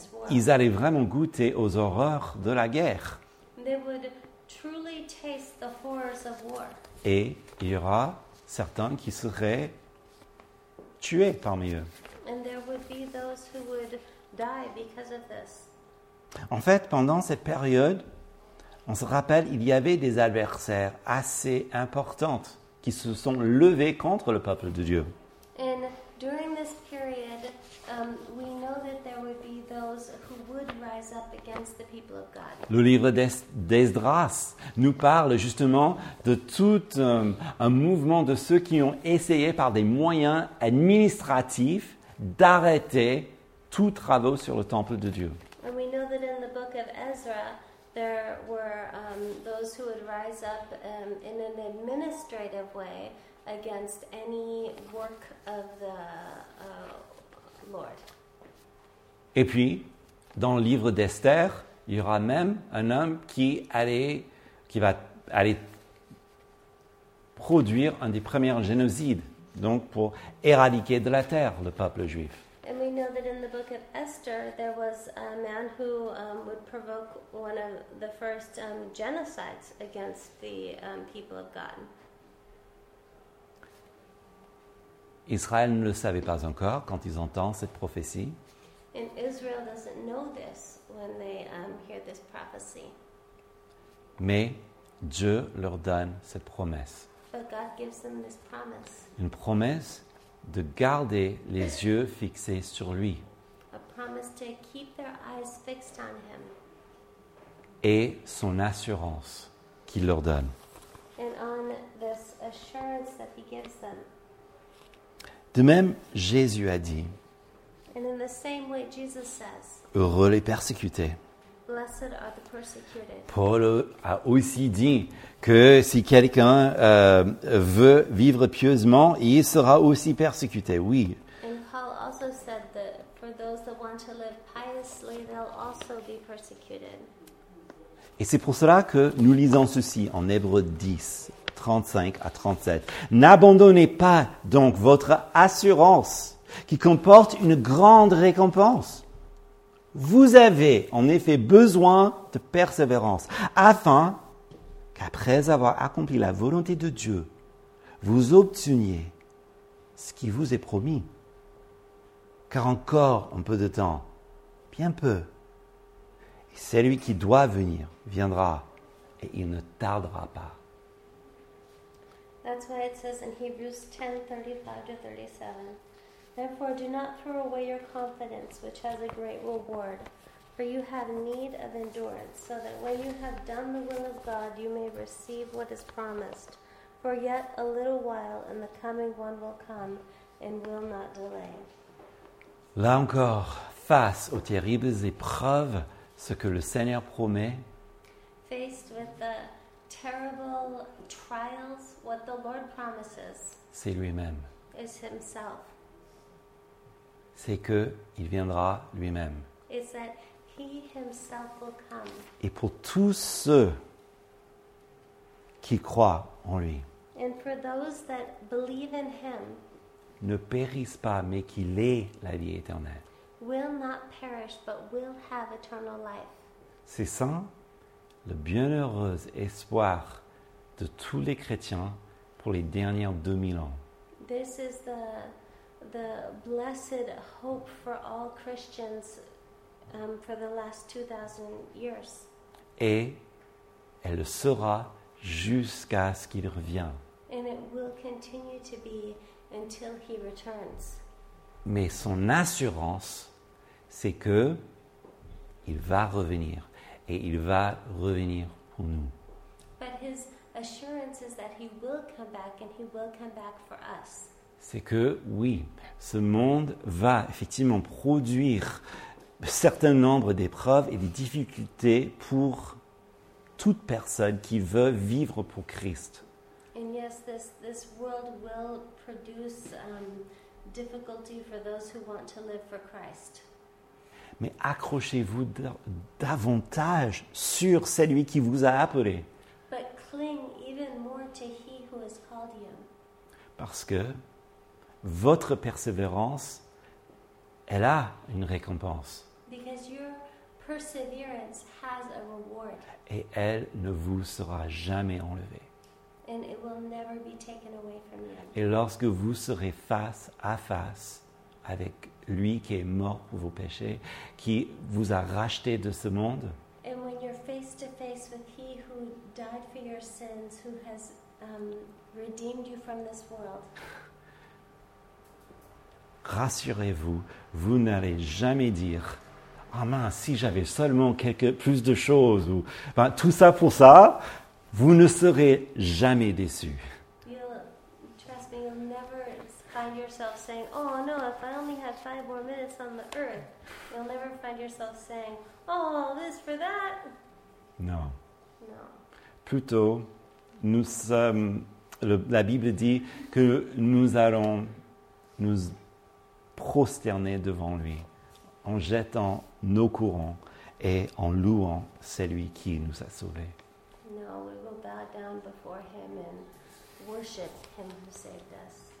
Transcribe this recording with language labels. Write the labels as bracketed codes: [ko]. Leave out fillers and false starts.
[fr] ils allaient vraiment goûter aux horreurs de la guerre. [en] They would truly taste the horrors of war. [fr] Et il y aura certains qui seraient tués parmi eux. [en] And there would be those who would die because of this. [fr] En fait, pendant cette période, on se rappelle, il y avait des adversaires assez importants qui se sont levés contre le peuple de Dieu. [en] And during this period, we know that there would be those who would rise up against the people of God. [fr] Le livre d'Esdras nous parle justement de tout un mouvement de ceux qui ont essayé par des moyens administratifs d'arrêter tout travaux sur le temple de Dieu. [en] And we know that in the book of Ezra, there were those who would rise up in an administrative way against any work of the Lord. [fr] Et puis, dans le livre d'Esther, il y aura même un homme qui va aller produire un des premiers génocides, donc pour éradiquer de la terre le peuple juif. [en] And we know that in the book of Esther, there was a man who would provoke one of the first genocides against the people of God. [fr] Israël ne le savait pas encore quand ils entendent cette prophétie. [en] And Israel doesn't know this when they hear this prophecy. [fr] Mais Dieu leur donne cette promesse. [en] But God gives them this promise. [fr] Une promesse de garder les yeux fixés sur lui. [en] A promise to keep their eyes fixed on him. [fr] Et son assurance qu'il leur donne. [en] And on this assurance that he gives them. [fr] De même, Jésus a dit, [en] and in the same way, Jesus says, [fr] heureux les persécutés. [en] Blessed are the persecuted. [fr] Paul a aussi dit que si quelqu'un veut vivre pieusement, il sera aussi persécuté. Oui. [en] And Paul also said that for those that want to live piously, they'll also be persecuted. [fr] Et c'est pour cela que nous lisons ceci en Hébreux 10. 35 à 37. N'abandonnez pas donc votre assurance qui comporte une grande récompense. Vous avez en effet besoin de persévérance afin qu'après avoir accompli la volonté de Dieu, vous obteniez ce qui vous est promis. Car encore un peu de temps, bien peu, et celui qui doit venir viendra et il ne tardera pas. [en] That's why it says in Hebrews 10:35-37, therefore do not throw away your confidence, which has a great reward, for you have need of endurance, so that when you have done the will of God, you may receive what is promised. For yet a little while, and the coming one will come, and will not delay. [fr] Là encore, face aux terribles épreuves, ce que le Seigneur promet, [en] faced with the terrible trials, what the Lord promises, [fr] c'est lui-même. [en] Is himself. [fr] C'est que il viendra lui-même. [en] Is that he himself will come. [fr] Et pour tous ceux qui croient en lui, [en] and for those that believe in him, [fr] ne périssent pas, mais qu'il ait la vie éternelle. [en] Will not perish, but will have eternal life. [fr] C'est ça. Le bienheureux espoir de tous les chrétiens pour les dernières 2000 ans. [en] This is the the blessed hope for all Christians for the last 2000 years. [fr] Et elle le sera jusqu'à ce qu'il revienne. [en] And it will continue to be until he returns. [fr] Mais son assurance, c'est que il va revenir et il va revenir pour nous. [en] But his assurance is that he will come back and he will come back for us. [fr] C'est que oui, ce monde va effectivement produire un certain nombre d'épreuves et des difficultés pour toute personne qui veut vivre pour Christ. [en] And yes, this world will produce difficulty for those who want to live for Christ. [fr] Mais accrochez-vous davantage sur celui qui vous a appelé. [en] But cling even more to he who has called you. [fr] Parce que votre persévérance, elle a une récompense. [en] Because your perseverance has a reward. [fr] Et elle ne vous sera jamais enlevée. [en] And it will never be taken away from you. [fr] Et lorsque vous serez face à face avec lui qui est mort pour vos péchés, qui vous a racheté de ce monde, [en] and when you're face to face with he who died for your sins, who has redeemed you from this world, [fr] rassurez-vous, vous n'allez jamais dire, ah oh mince, si j'avais seulement quelques plus de choses, ou ben, tout ça pour ça, vous ne serez jamais déçu. [en] Trust me, you'll never find yourself saying, oh no, if I only had 5 more minutes on the earth, you'll never find yourself saying, oh, this for that. [fr] Non. [en] No. [fr] Plutôt, nous sommes, la Bible dit que nous allons nous prosterner devant lui en jetant nos courants et en louant celui qui nous a sauvés. [en] No, we will bow down before him and worship him who saved us.